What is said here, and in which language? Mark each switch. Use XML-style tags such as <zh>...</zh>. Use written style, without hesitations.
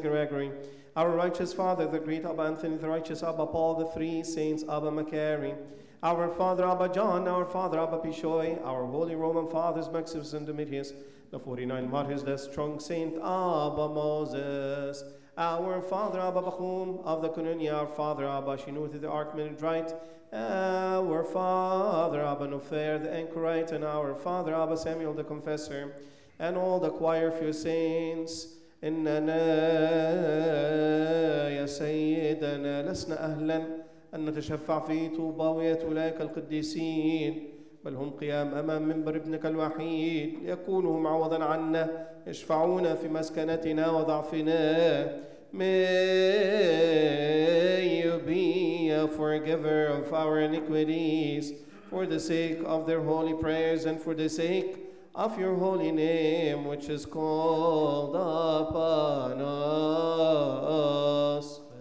<en>Gregory, our righteous father, the great Abba Anthony, the righteous Abba Paul, the three saints, Abba Macari, our father Abba John, our father Abba Pishoy, our holy Roman fathers, Maximus and Domitius, the 49 martyrs, the strong Saint Abba Moses, our father Abba Bachum of the Kununia, our father Abba Shinuthi, the Archimandrite, our father Abba Nofer, the Anchorite, and our father Abba Samuel, the Confessor, and all the choir of your saints.</en> <ar>إننا يا سيدنا لسنا أهلا أن نتشفع في طوباوية أولئك القديسين بل هم قيام أمام منبر ابنك الوحيد يكونوا معوضا عنا يشفعون في مسكنتنا وضعفنا.</ar> <en>May you be a forgiver of our iniquities for the sake of their holy prayers and for the sake of your holy name which is called upon us.</en>